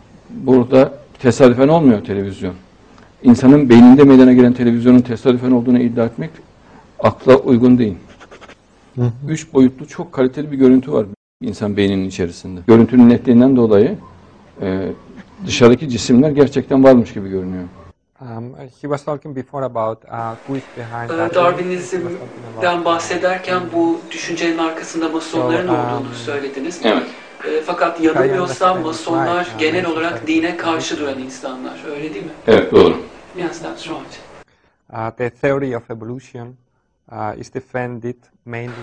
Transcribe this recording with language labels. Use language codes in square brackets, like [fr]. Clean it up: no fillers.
[tr] Burada tesadüfen olmuyor televizyon. İnsanın beyninde meydana gelen televizyonun tesadüfen olduğunu iddia etmek akla uygun değil. Üç boyutlu çok kaliteli bir görüntü var insan beyninin içerisinde. Görüntünün netliğinden dolayı dışarıdaki cisimler gerçekten varmış gibi görünüyor. [en] He was talking before about who is behind that. [tr] Darwinizm'den bahsederken bu düşüncenin arkasında masonların olduğunu söylediniz. Evet. Fakat yanılmıyorsam masonlar genel olarak dine karşı duran insanlar. Öyle değil mi? Evet, doğru. [en] Yes, that's right. The theory of evolution is defended mainly.